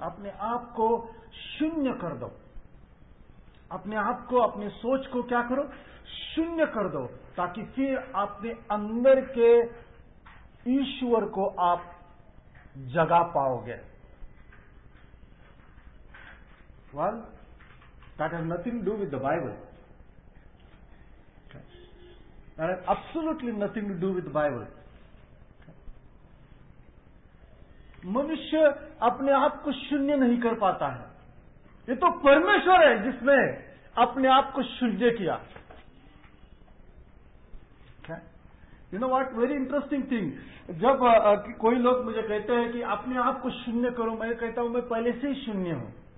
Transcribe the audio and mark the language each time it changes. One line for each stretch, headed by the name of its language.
Hindi: अपने आप को शून्य कर दो, अपने आप को, अपनी सोच को क्या करो, शून्य कर दो, ताकि फिर अपने अंदर के ईश्वर को आप जगा पाओगे।
English: Well, that has nothing to do with the Bible. That has absolutely nothing to do with the Bible.
Hindi: मनुष्य अपने आप को शून्य नहीं कर पाता है, ये तो परमेश्वर है जिसने अपने आप को शून्य किया।
English: you know what, very interesting thing,
Hindi: जब कोई लोग मुझे कहते हैं कि अपने आप को शून्य करो, मैं कहता हूं मैं पहले से ही शून्य हूं।